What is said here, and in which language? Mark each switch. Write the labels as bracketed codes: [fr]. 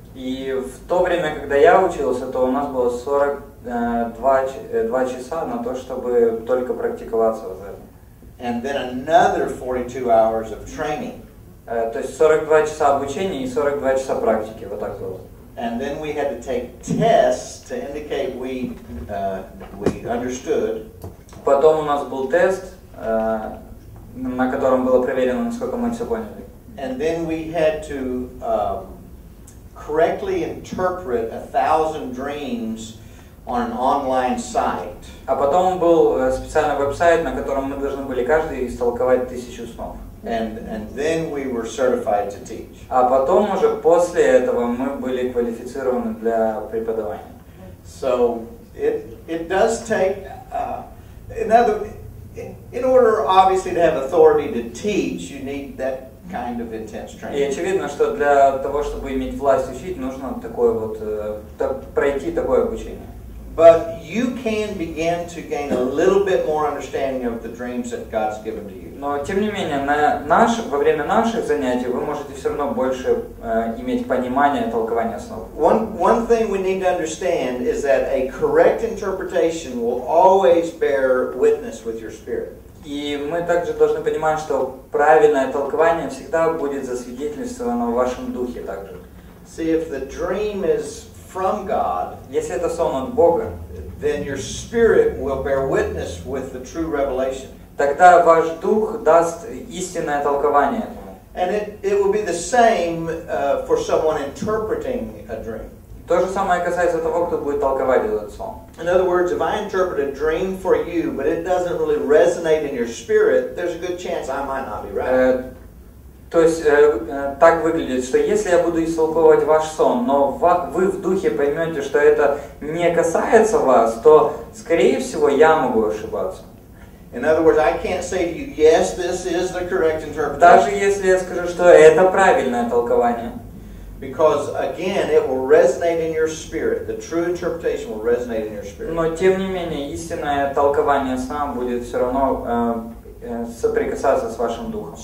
[ru] И в то время, когда я учился, то у нас было 42 часа на то, чтобы только практиковаться в этом. [en] And then another 42 hours of training. [ru] То есть 42 часа обучения и 42 часа практики, вот так было. [en] And then we had to take tests to indicate we understood. [ru] Потом у нас был тест, на котором было проверено, насколько мы все поняли. [en] And then we had to correctly interpret 1,000 dreams on an online site. [ru] А потом был специальный веб-сайт, на котором мы должны были каждый истолковать 1,000 снов. [en] And then we were certified to teach. [ru] А потом уже после этого мы были квалифицированы для преподавания. [en] So it does take in order obviously to have authority to teach, you need that kind of intense training. [ru] И очевидно, что для того, чтобы иметь власть учить, нужно такое вот пройти такое обучение. [en] But you can begin to gain a little bit more understanding of the dreams that God's given to you. [ru] Но тем не менее, во время наших занятий вы можете все равно больше иметь понимание толкования снов. [en] One thing we need to understand is that a correct interpretation will always bear witness with your spirit. [ru] И мы также должны понимать, что правильное толкование всегда будет засвидетельствовано в вашем духе также. [en] See, if the dream is from God, [ru] если это сон от Бога, [en] then your spirit will bear witness with the true revelation. [ru] Тогда ваш дух даст истинное толкование. [en] And it will be the same for someone interpreting a dream. [ru] То же самое касается того, кто будет толковать этот сон. [en] In other words, if I interpret a dream for you, but it doesn't really resonate in your spirit, there's a good chance I might not be right. [ru] То есть так выглядит, что если я буду истолковывать ваш сон, но вы в духе поймете, что это не касается вас, то, скорее всего, я могу ошибаться. [en] In other words, I can't say to you, yes, this is the correct interpretation. [ru] Даже если я скажу, что это правильное толкование. [en] Because again, it will resonate in your spirit. The true interpretation will resonate in your spirit. [ru] Но тем не менее, истинное толкование сна будет все равно соприкасаться с вашим духом.